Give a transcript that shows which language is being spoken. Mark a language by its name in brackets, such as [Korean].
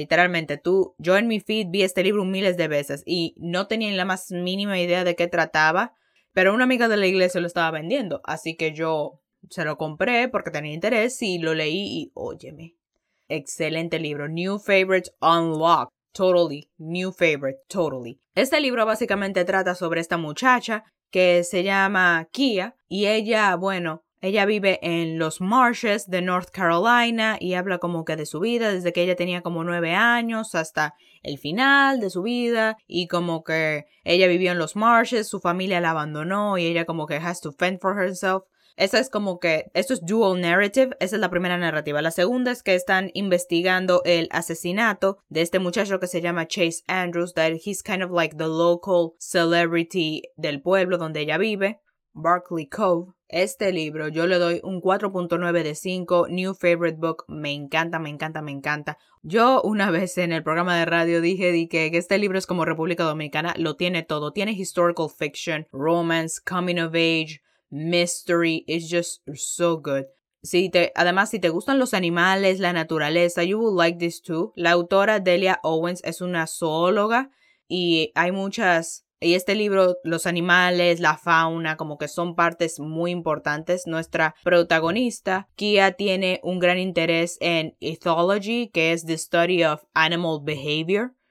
[Spanish] Literalmente, yo en mi feed vi este libro miles de veces y no tenía ni la más mínima idea de qué trataba, pero una amiga de la iglesia lo estaba vendiendo, así que yo se lo compré porque tenía interés y lo leí y óyeme, excelente libro, [English] New Favorite Unlocked. Totally, new favorite, totally. [Spanish] Este libro básicamente trata sobre esta muchacha que se llama Kia y ella, bueno, ella vive en los marshes de North Carolina y habla como que de su vida desde que ella tenía como 9 años hasta el final de su vida y como que ella vivió en los marshes, su familia la abandonó y ella como que [English] has to fend for herself. [Spanish] Esa es como que, esto es [English] dual narrative, [Spanish] esa es la primera narrativa. La segunda es que están investigando el asesinato de este muchacho que se llama Chase Andrews, [English] that he's kind of like the local celebrity [Spanish] del pueblo donde ella vive, Barkley Cove. Este libro yo le doy un 4.9 de 5, [English] new favorite book, [Spanish] me encanta, me encanta, me encanta. Yo una vez en el programa de radio dije que este libro es como República Dominicana, lo tiene todo. Tiene [English] historical fiction, romance, coming of age, mystery, it's just so good. [Spanish] Además, si te gustan los animales, la naturaleza, [English] you will like this too. [Spanish] La autora Delia Owens es una zoóloga y hay muchas. Y este libro, los animales, la fauna, como que son partes muy importantes. Nuestra protagonista, Kia, tiene un gran interés en ethology, que es [English] the study of animal behavior.